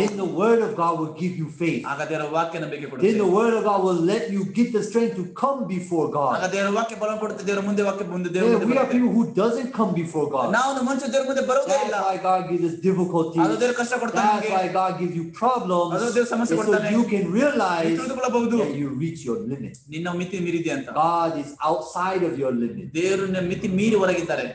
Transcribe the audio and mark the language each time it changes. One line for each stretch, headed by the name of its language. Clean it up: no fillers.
English: Then the word of God will give you faith.
Kannada: ಆಗ ದೇವರ ವಾಕ್ಯ ನಮಗೆ ಕೊಡುತ್ತೆ.
English: Then the word of God will let you get the strength to come before God.
Kannada: ಆಗ ದೇವರ ವಾಕ್ಯ ಬಲ ಕೊಡುತ್ತೆ ದೇವರ ಮುಂದೆ ವಾಕ್ಯ ಮುಂದೆ ದೇವರ ಮುಂದೆ.
English: There are people who doesn't come before God.
Kannada: ನಾವು ಮನುಷ್ಯ ದೇವರ ಮುಂದೆ ಬರೋದೇ ಇಲ್ಲ.
English: That's why God gives difficulties.
Kannada: ಅದು ದೇವರ ಕಷ್ಟ ಕೊಡ್ತಾನೆ.
English: That's why God gives you problems.
Kannada: ಅದು ದೇವರ ಸಮಸ್ಯೆ ಕೊಡ್ತಾನೆ.
English: You can realize that you reach your limit.
Kannada: ನಿನ್ನ ಮಿತಿ ಮೀರಿದೆ ಅಂತ.
English: God is outside of your limit.
Kannada: ದೇವರು ನಿಮ್ಮ ಮಿತಿ ಮೀರಿ ಹೊರಗಿದ್ದಾರೆ.